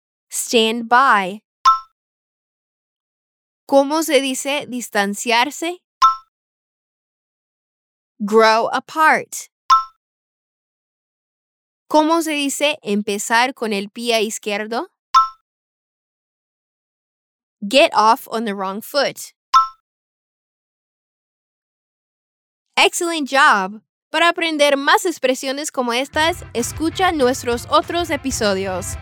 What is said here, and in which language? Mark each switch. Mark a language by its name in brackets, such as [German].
[English] Stand by. [Spanish] ¿Cómo se dice distanciarse? [English] Grow apart. [Spanish] ¿Cómo se dice empezar con el pie izquierdo? [English] Get off on the wrong foot. Excellent job. [Spanish] Para aprender más expresiones como estas, escucha nuestros otros episodios.